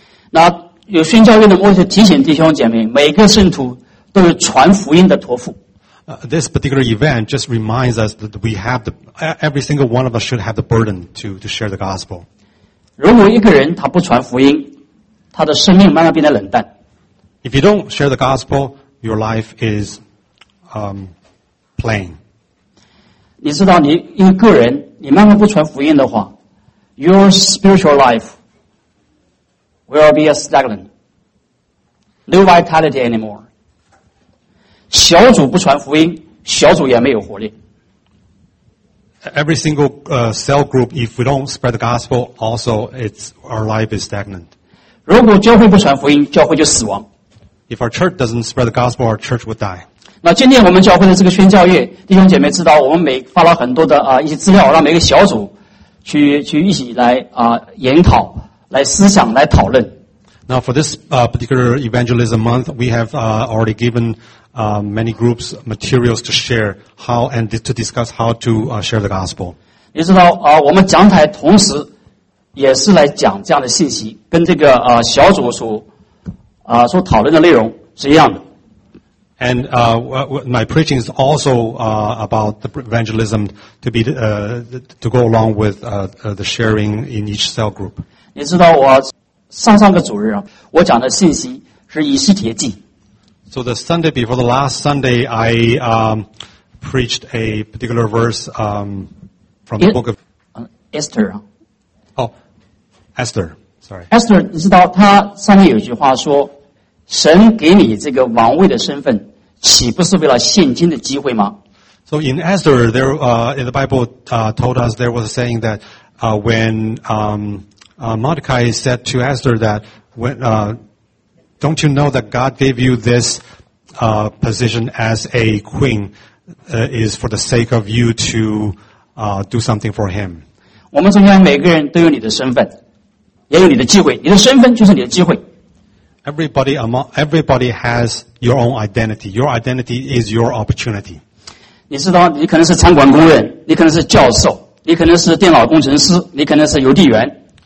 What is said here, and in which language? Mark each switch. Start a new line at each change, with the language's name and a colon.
Chinese: 那有宣教院的目的提醒弟兄姐妹，每个圣徒都是传福音的托付。
English: this particular event just reminds us that we have the, every single one of us should have the burden to share the gospel.
Chinese: 如果一个人他不传福音，他的生命慢慢变得冷淡。
English: If you don't share the gospel, your life is, plain.
Chinese: 你知道，你一个人，你慢慢不传福音的话 ，
English: your spiritual life will be a stagnant, no vitality anymore.
Chinese: 小组不传福音，小组也没有活力。
English: Every single cell group, if we don't spread the gospel, also it's our life is stagnant.
Chinese: 如果教会不传福音，教会就死亡。
English: If our church doesn't spread the gospel, our church would die.
Chinese: 那今天我们教会的这个宣教月，弟兄姐妹知道，我们每发了很多的一些资料，让每个小组去一起来研讨、来思想、来讨论。
English: Now for this particular evangelism month, we have already given many groups materials to share how and to discuss how to share the gospel.
Chinese: 你知道我们讲台同时也是来讲这样的信息，跟这个小组所讨论的内容是一样的。
English: And my preaching is also about the evangelism to be to go along with the sharing in each cell group.
Chinese: 你知道我上上个主日啊，我讲的信息是以斯帖记。
English: So the Sunday before the last Sunday, I preached a particular verse from the book of Esther. Oh, Esther. Sorry.
Chinese: Esther, 你知道他上面有一句话说，神给你这个王位的身份，岂不是为了现今的机会吗？
English: So in Esther, there in the Bible told us there was a saying that when Mordecai said to Esther that when don't you know that God gave you this position as a queen is for the sake of you to do something for him?
Chinese: 我们中间每个人都有你的身份，也有你的机会。你的身份就是你的机会。
English: Everybody has your own identity. Your identity is your opportunity.
Chinese: 你知道，你可能是餐馆工人，你可能是教授，你可能是电脑工程师，你可能是邮递员。